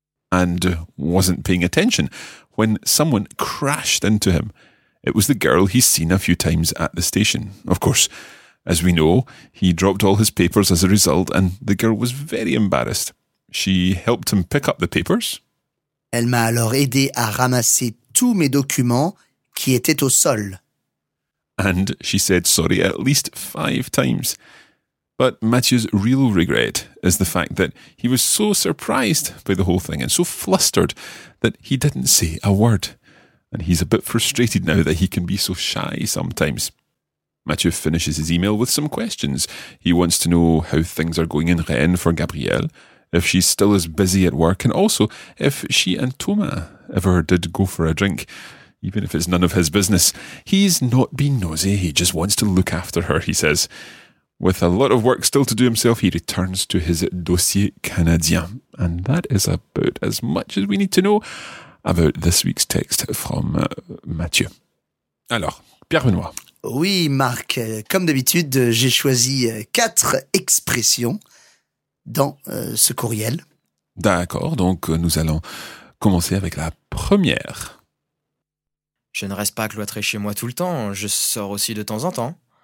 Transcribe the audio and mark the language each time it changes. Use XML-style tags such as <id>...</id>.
<en>And wasn't paying attention when someone crashed into him. It was the girl he's seen a few times at the station. Of course, as we know, he dropped all his papers as a result, and the girl was very embarrassed. She helped him pick up the papers.</en> <fr>Elle m'a alors aidé à ramasser tous mes documents qui étaient au sol.</fr> <en>And she said sorry at least 5 times. But Mathieu's real regret is the fact that he was so surprised by the whole thing and so flustered that he didn't say a word. And he's a bit frustrated now that he can be so shy sometimes. Mathieu finishes his email with some questions. He wants to know how things are going in Rennes for Gabrielle, if she's still as busy at work, and also if she and Thomas ever did go for a drink. Even if it's none of his business, he's not being nosy, he just wants to look after her, he says. With a lot of work still to do himself, he returns to his</en> <fr>dossier canadien.</fr> <en>And that is about as much as we need to know about this week's text from Mathieu.</en> <fr>Alors, Pierre Benoît. Oui, Marc, comme d'habitude, j'ai choisi 4 expressions dans ce courriel. D'accord, donc nous allons commencer avec la première. Je ne reste pas cloîtré chez moi tout le temps, je sors aussi de temps en temps.</fr>